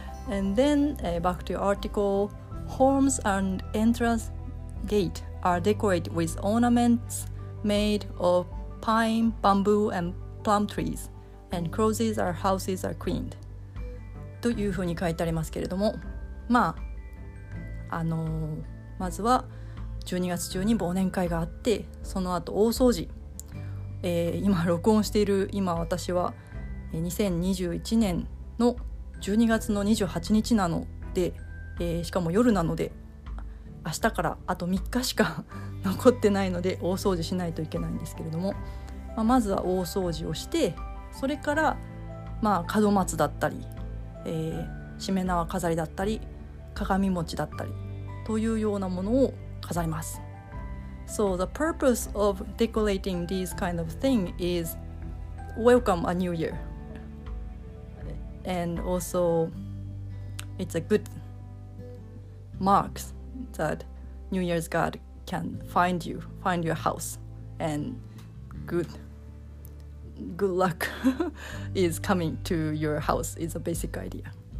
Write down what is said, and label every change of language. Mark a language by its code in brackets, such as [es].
[en] And then back to your article, homes and entrance gate are decorated with ornaments made of pine, bamboo and plum trees, and closes our houses are cleaned. [ja] というふうに書いてありますけれども、まあまずは12月中に忘年会があって、その後大掃除、今録音している今私は2021年の12月の28日なので、しかも夜なので、明日からあと3日しか残ってないので大掃除しないといけないんですけれども、まあ、まずは大掃除をして、それから、まあ、門松だったり、しめ縄飾りだったり鏡餅だったりというようなものを飾ります。 [en] So the purpose of decorating these kind of thing is welcome a new year and also it's a good mark that New Year's God can find your house and good luck is coming to your house is a basic idea.